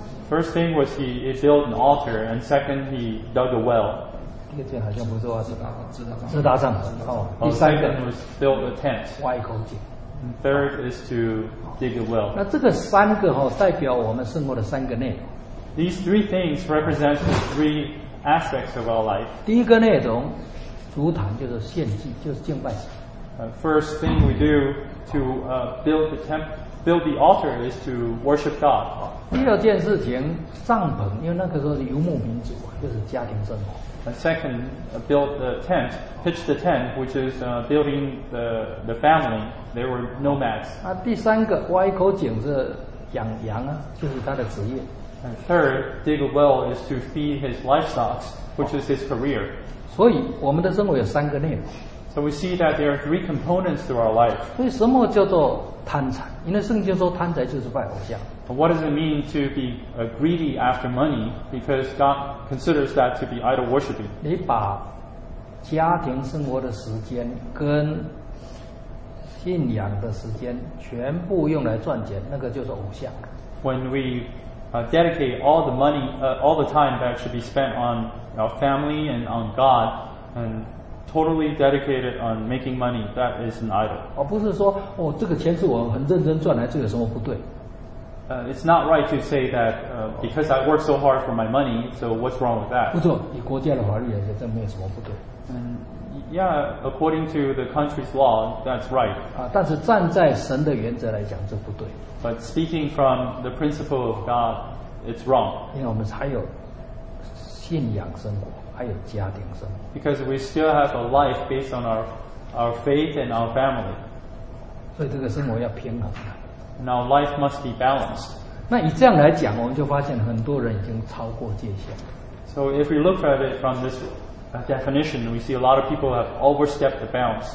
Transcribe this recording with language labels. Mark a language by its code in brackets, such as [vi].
[en] First thing was he built an altar, and second he dug a well. [zh] 第二件好像不是挖井，支搭帐篷。哦，第三个 [en] was build a tent. [zh] 挖一口井。 [en] Third is to dig a well. [zh] 那这个三个哈、哦，代表我们生活的三个内容。 [en] These three things represent the three aspects of our life. [zh] 第一个内容，烛坛就是献祭，就是敬拜。 [en] First thing we do to build the altar is to worship God. [zh] 第二件事情，帐篷，因为那个时候是游牧民族，就是家庭生活。 [en] And second, build the tent, pitch the tent, which is building the family. They were nomads. [zh] 啊，第三个挖一口井是养羊啊，就是他的职业。 [en] And third, dig a well is to feed his livestock, which is his career. [zh] 所以我们的生活有三个内容。 [en] So we see that there are three components to our life. [zh] 所以什么叫做贪财？因为圣经说贪财就是拜偶像。 [en] What does it mean to be greedy after money? Because God considers that to be idol worshiping. [zh] 你把家庭生活的时间跟信仰的时间全部用来赚钱，那个就是偶像。 [en] When we dedicate all the money, all the time that should be spent on our family and on God, and totally dedicated on making money, that is an idol. [zh] 而不是说哦，这个钱是我很认真赚来，这有什么不对？ [en] It's not right to say that because I work so hard for my money, so what's wrong with that? [zh] 不错，以国家的法律来讲，这没有什么不对。 [en] Yeah, according to the country's law, that's right. [zh] 啊，但是站在神的原则来讲，这不对。 [en] But speaking from the principle of God, it's wrong. [zh] 因为我们还有信仰生活，还有家庭生活。 [en] Because we still have a life based on our faith and our family. [zh] 所以这个生活要平衡。 [en] And our life must be balanced. [zh] 那以这样来讲，我们就发现很多人已经超过界限。 [en] So if we look at it from this definition, we see a lot of people have overstepped the bounds.